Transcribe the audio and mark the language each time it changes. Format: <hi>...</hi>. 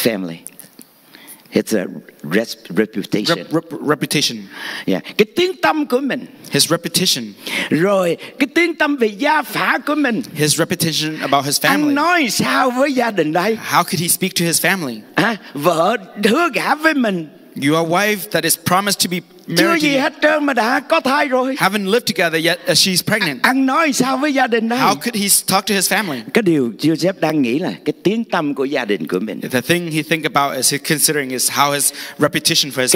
<en>family. It's a reputation. Reputation.</en> <vi>Yeah. Cái tiếng tâm của mình.</vi> <en>His reputation.</en> <vi>Rồi cái tiếng tâm về gia phả của mình.</vi> <en>His reputation about his family.</en> <vi>Anh nói sao với gia đình đây?</vi> <en>How could he speak to his family?</en> <vi>Vợ hứa gả với mình.</vi> <en>Your wife that is promised to be married.</en> <vi>Chưa gì hết trơn mà đã có thai rồi.</vi> <en>Haven't lived together yet as she's pregnant.</en> <vi>Anh nói sao với gia đình đây?</vi> <en>How could he talk to his family?</en> <vi>Cái điều Joseph đang nghĩ là cái tiếng tâm của gia đình của mình.</vi> <en>The thing he think about as he considering is how his reputation for his</en>